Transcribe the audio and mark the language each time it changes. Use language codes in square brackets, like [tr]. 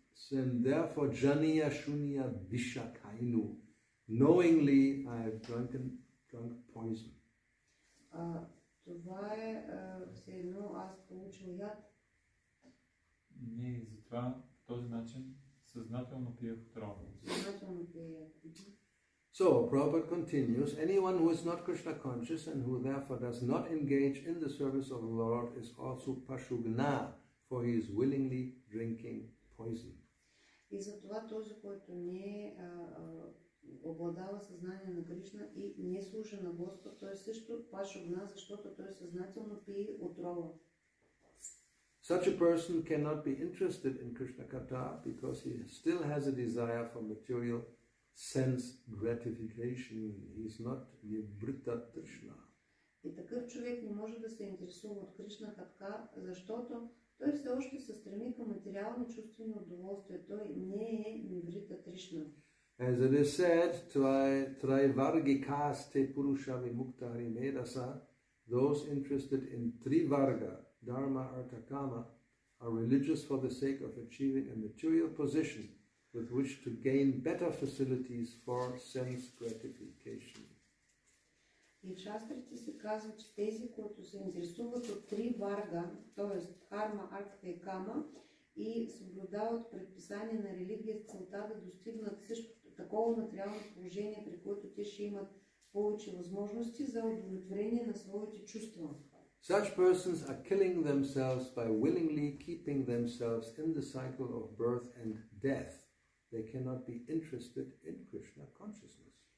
[en] Then therefore [bn] janiya shunya vishakainu, [en] knowingly I have drunk poison. [bg] Това е все едно аз получил яд. Не, затова по този начин съзнателно пиех отрова. Съзнателно пиех яд. [en] So Prabhupada continues, anyone who is not Krishna conscious and who therefore does not engage in the service of the Lord is also Pashugna, for he is willingly drinking poison. [bg] И затова този, който не обладава съзнание на Кришна и не слуша на Господ, той също Пашугна, защото той съзнателно пие отрова. [en] Such a person cannot be interested in Krishna Katha because he still has a desire for material sense gratification. He is not Nibhrita Krishna. [bg] И такъв човек не може да се интересува от Кришна Катха, защото той все още се стреми към материално чувствено удоволствие. Той не е Нибхрита Кришна. [en] As it is said, [sa] Trivargikaste Purusha Vimuktari Medasa, [en] those interested in Trivarga, Dharma Artha Kama, are religious for the sake of achieving a material position with which to gain better facilities for sense gratification. [bg] И шастрите се казват, че тези, които се интересуват от три варга, т.е. карма, артха и кама, и съблюдават предписания на религия с целта да достигнат също такова материално положение, при което те ще имат повече възможности за удовлетворение на своите чувства. [en] Such persons are killing themselves by willingly keeping themselves in the cycle of birth and death. They cannot be interested in Krishna consciousness.